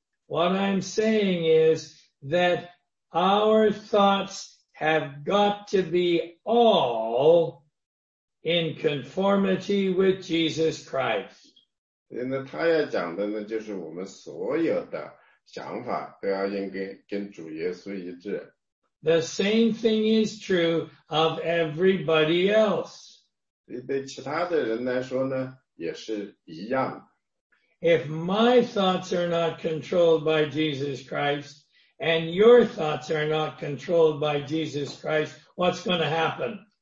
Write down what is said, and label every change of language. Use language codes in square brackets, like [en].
[en] What I'm saying is that our thoughts have got to be all in conformity with Jesus Christ. [zh] 那他要讲的呢,就是我们所有的想法都要跟主耶稣一致。 [en] The same thing is true of everybody else. [zh] 对其他的人来说呢,也是一样。 [en] If my thoughts are not controlled by Jesus Christ, and your thoughts are not controlled by Jesus Christ, what's going to happen?